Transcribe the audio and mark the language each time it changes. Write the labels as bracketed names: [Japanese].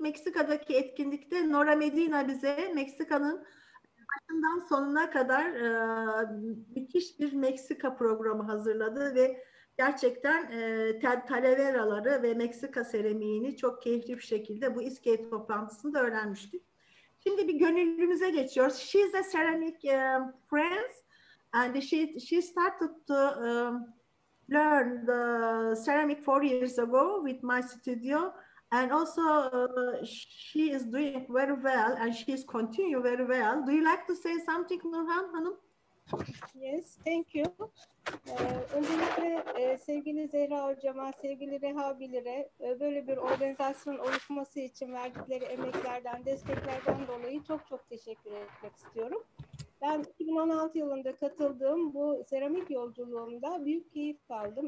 [Turkish] Meksika'daki etkinlikte Nora Medina bize Meksika'nın başından sonuna kadar müthiş bir Meksika programı hazırladı ve gerçekten Talavera'ları ve Meksika seramiğini çok keyifli bir şekilde bu İSKEY toplantısında öğrenmiştik. Şimdi bir gönüllümüze geçiyoruz. [English] She is a ceramic friend and she started to learn the ceramic 4 years ago with my studio, and also she is doing very well and she is continue very well. Do you like to say something, Nurhan Hanım? Yes, thank you. [Turkish] Öncelikle sevgili Zehra Hocama, sevgili Reha Bilir'e böyle bir organizasyon oluşması için verdikleri emeklerden, desteklerden dolayı çok çok teşekkür etmek istiyorum. Ben 2016 yılında katıldığım bu seramik yolculuğumda büyük keyif aldım.